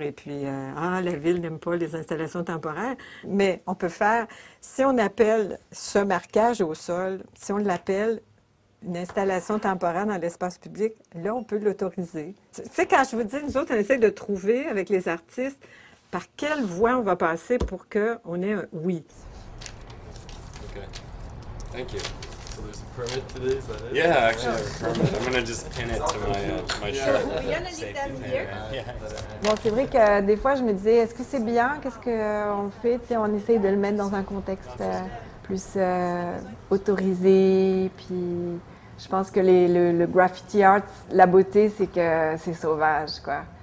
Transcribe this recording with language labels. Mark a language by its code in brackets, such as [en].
[fr] Et puis, la ville n'aime pas les installations temporaires. Mais on peut faire, si on appelle ce marquage au sol, si on l'appelle une installation temporaire dans l'espace public, là, on peut l'autoriser. Tu sais, quand je vous dis, nous autres, on essaie de trouver avec les artistes par quelle voie on va passer pour qu'on ait un oui. [en] OK. Thank you. Permit today, is that it? Yeah, actually, I'm gonna just pin it to my shirt. Yeah. [fr] Bon, c'est vrai que des fois je me disais, est-ce que c'est bien? Qu'est-ce qu'on fait? T'sais, on essaye de le mettre dans un contexte plus autorisé. Puis je pense que le graffiti art, la beauté, c'est que c'est sauvage, quoi.